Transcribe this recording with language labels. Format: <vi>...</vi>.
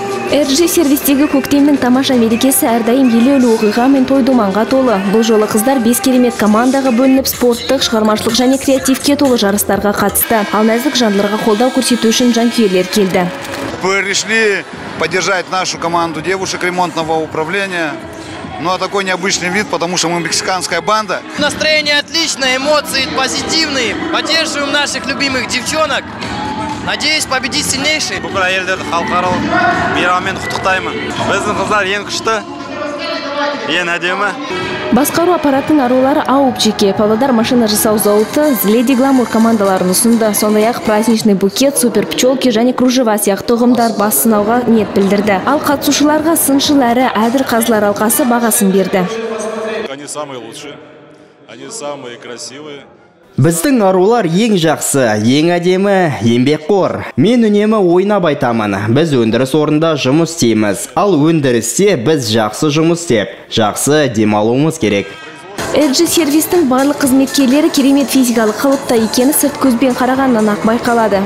<kk>Эрджи сервистегі көктемнің тамаша мерекесі әрдайым елеулі оқиға мен той-думанға толы. Бұл жолы қыздар 5 керемет командаға бөлініп, спорттық, шығармашылық және креативке толы жарыстарға қатысты. Ал нәзік жандыларға қолдау көрсету үшін жанкүйерлер келді.</kk> <ru>Пришли поддержать нашу команду девушек ремонтного управления. Ну а такой необычный вид, потому что мы мексиканская банда. Настроение отличное, эмоции позитивные. Поддерживаем наших любимых девчонок. Надеюсь, победить сильнейший.</ru> <kk>Бүкіл әйелдерді халықаралық мейраммен құттықтаймын. Біздің қыздар ең күшті, ең әдемі. Басқару аппаратының арулары ауып жеке. Павлодар машина жасау зауыты, Леди Гламур командаларын ұсынды. Сондай-ақ праздничный букет, супер пчелки және кружева сияқты ұғымдар бас сынауға ниет білдірді. Ал қатысушыларға сыншылары әділ қазылар алқасы бағасын берді.</kk> <ru>Они самые лучшие, они самые красивые.</ru> <kk>Біздің арулар ең жақсы, ең әдемі, еңбекқор. Мен үнемі ойнап айтамын. Біз өндіріс орнында жұмыс істейміз. Ал өндірісте біз жақсы жұмыс істеп, жақсы демалуымыз керек. Эрджи сервистің барлық қызметкерлері керемет физикалық қалыпта екені сырт көзбен қарағаннан ақ байқалады.</kk>